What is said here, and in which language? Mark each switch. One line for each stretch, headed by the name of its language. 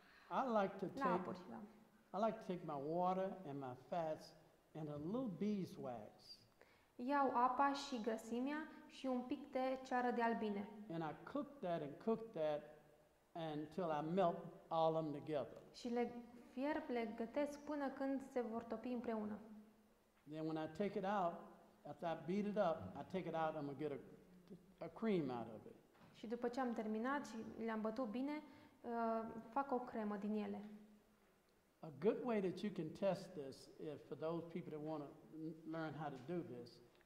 English: I like to take my water and my fats and a little beeswax.
Romanian: Iau apa și grăsimea și un pic de ceară de albine.
English: And I cook that and cook that until I melt all of them together.
Romanian: Și le fierb, le gătesc până când se vor topi împreună.
English: Then when I take it out, after I beat it up, I take it out and I'm going to get a cream out of it.
Romanian: Și după ce am terminat și le-am bătut bine, fac o cremă din ele.
English: A good way that you can test this, if for those people that want to learn how to do this.